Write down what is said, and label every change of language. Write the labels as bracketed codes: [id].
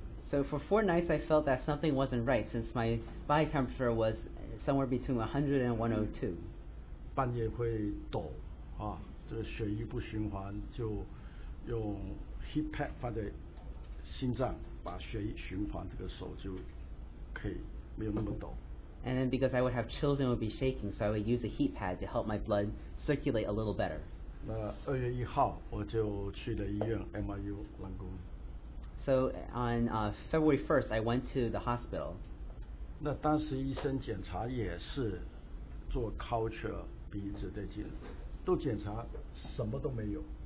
[en] So for 4 nights I felt that something wasn't right since my body temperature was somewhere between 100 and 102. [zh] 半夜会抖，这个血液不循环，就用 heat pad 放在心脏，把血液循环，这个手就可以没有那么抖。 [en] And then because I would have chills and would be shaking, so I would use a heat pad to help my blood circulate a little better. [zh] 那2月1号我就去了医院 MRU 人工。 [en] So on February 1st, I went to the hospital. [zh] 那当时医生检查也是做 culture 鼻子的检查，都检查什么都没有。